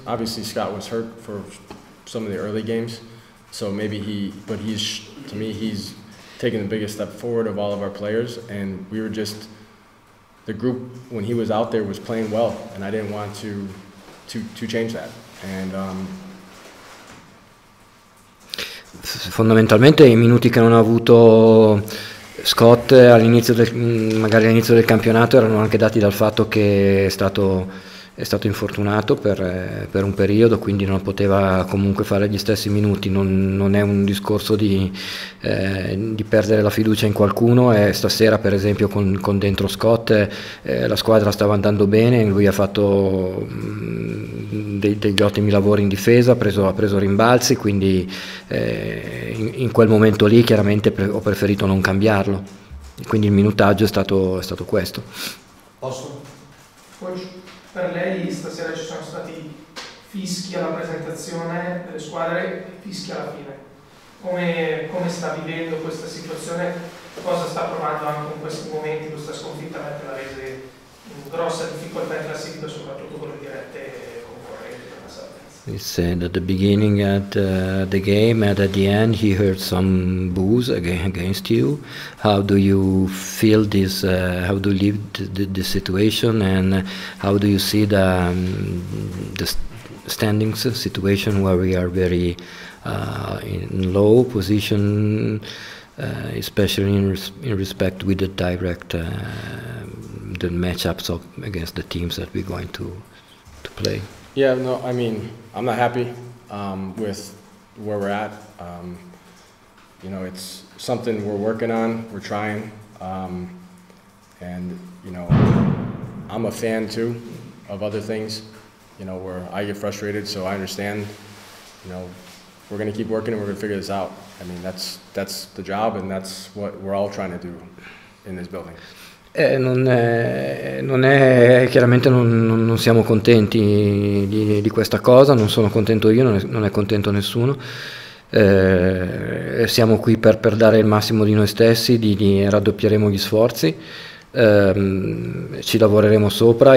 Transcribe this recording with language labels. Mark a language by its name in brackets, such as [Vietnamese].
[English] Obviously, Scott was hurt for some of the early games, so maybe he's taking the biggest step forward of all of our players, and we were just the group when he was out there was playing well, and I didn't want to change that. And [Italian] fondamentalmente i minuti che non ha avuto Scott all'inizio del campionato erano anche dati dal fatto che è stato infortunato per un periodo, quindi non poteva comunque fare gli stessi minuti. Non è un discorso di perdere la fiducia in qualcuno. E stasera, per esempio, con dentro Scott, la squadra stava andando bene, lui ha fatto degli ottimi lavori in difesa, ha preso rimbalzi, quindi in quel momento lì chiaramente ho preferito non cambiarlo. Quindi il minutaggio è stato questo. Posso? Per lei stasera ci sono stati fischi alla presentazione delle squadre, fischi alla fine. Come sta vivendo questa situazione? Cosa sta provando anche in questi momenti? Questa sconfitta mette la rese in grossa difficoltà in classifica, soprattutto con le dirette concorrenti per la Salvezza. [English] He said at the beginning at the game and at the end he heard some boos against you. How do you feel this? How do you live the situation, and how do you see the standings situation where we are very in low position, especially in respect with the direct the matchups of against the teams that we're going to play? Yeah, no, I mean, I'm not happy with where we're at. You know, it's something we're working on, we're trying, and you know, I'm a fan too of other things, you know, where I get frustrated, so I understand, you know, we're going to keep working and we're going to figure this out. I mean, that's the job and that's what we're all trying to do in this building. [Italian] Chiaramente non siamo contenti di questa cosa, non sono contento io, non è contento nessuno. Siamo qui per dare il massimo di noi stessi, di raddoppieremo gli sforzi, ci lavoreremo sopra.